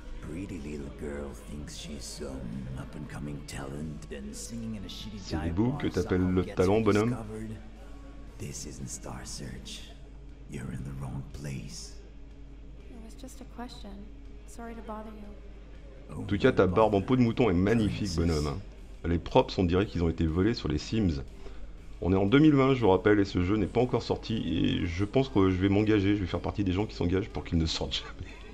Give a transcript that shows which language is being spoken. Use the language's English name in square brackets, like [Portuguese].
[English] Pretty little girl thinks she's some up and coming talent and singing in a shitty dive. [French] C'est des boucs que t'appelles le talent, bonhomme? [English] This isn't Star Search. You're in the wrong place. It was just a question. Sorry to bother you. [French] En tout cas, ta barbe en peau de mouton est magnifique, bonhomme. Les props, on dirait qu'ils ont été volés sur les Sims. On est en 2020, je vous rappelle, et ce jeu n'est pas encore sorti, et je pense que je vais m'engager, je vais faire partie des gens qui s'engagent pour qu'il ne sorte jamais.